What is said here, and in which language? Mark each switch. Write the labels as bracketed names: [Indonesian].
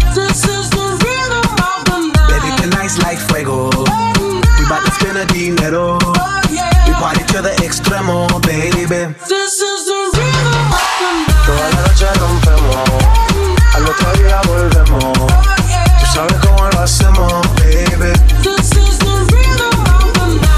[English] This is the rhythm of the night. Baby, tonight's like fuego. We bout to spend a dinero. Oh, yeah. We party to the extremo, baby. This is the rhythm of the night. [Spanish] Toda la noche rompemos. Al otro día volvemos. [English] Oh, yeah. [Spanish] Tú sabes cómo lo hacemos, baby. [English] This is the rhythm of the night.